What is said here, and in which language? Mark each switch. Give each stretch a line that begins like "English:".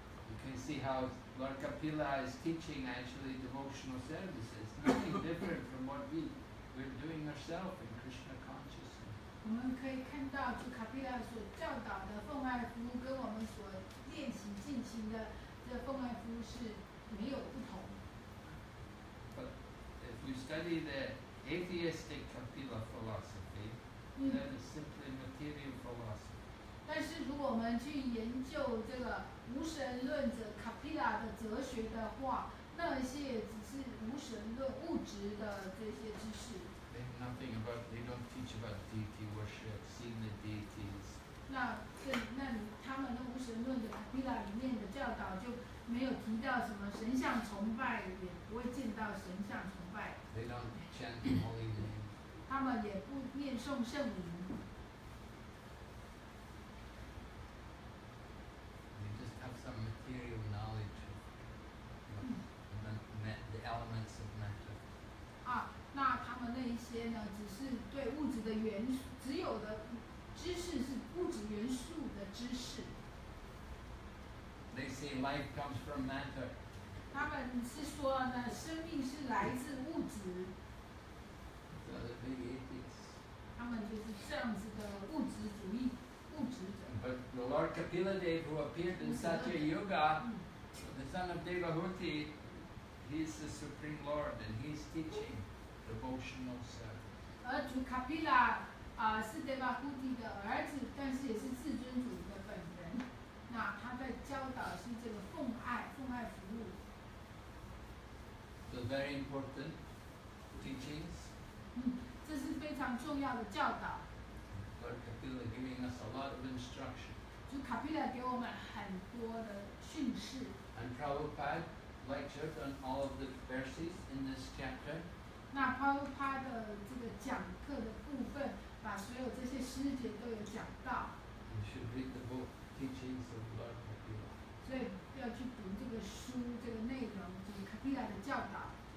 English: You can see how Lord Kapila is teaching actually devotional services. Nothing different from what we're doing ourselves in Krishna consciousness.
Chinese: 我们可以看到主卡皮拉所教导的奉爱服务跟我们所练习进行的这奉爱服务是没有不同。
English: But if you study the atheistic Kapila philosophy, then it's simply material philosophy.
Chinese: 但是如果我们去研究这个无神论者卡皮拉的哲学的话，那些只是无神论物质的这些知识。
English: Nothing about, they don't teach about deity worship, seeing the deities.
Chinese: 那他们的无神论的卡皮拉里面的教导就没有提到什么神像崇拜，也不会见到神像崇拜。
English: They don't chant the holy name.
Chinese: 他们也不念诵圣名。
English: They just have some material knowledge of the elements of matter.
Chinese: 那他们那一些呢，只是对物质的元素，只有的知识是物质元素的知识。
English: They say life comes from matter.
Chinese: 他们是说呢，生命是来自物质。
English: So the big atheists.
Chinese: 他们就是这样子的物质主义，物质者。
English: But the Lord Kapila Dev who appeared in Satya Yuga, the son of Devahuti, he is the supreme lord and he is teaching. Devotional service.
Chinese: 而主卡皮拉是德巴库蒂的儿子，但是也是至尊主的本人。那他在教导是这个奉爱服务。
English: The very important teachings.
Chinese: 这是非常重要的教导。
English: Lord Kapila giving us a lot of instruction.
Chinese: 主卡皮拉给我们很多的训示。
English: And Prabhupada lectured on all of the verses in this chapter.
Chinese: 那 Prabhupada 的这个讲课的部分，把所有这些师节都有讲到。
English: You should read the book, teachings of Lord Kapila.
Chinese: 所以要去读这个书，这个内容，就是 Kapila 的教导。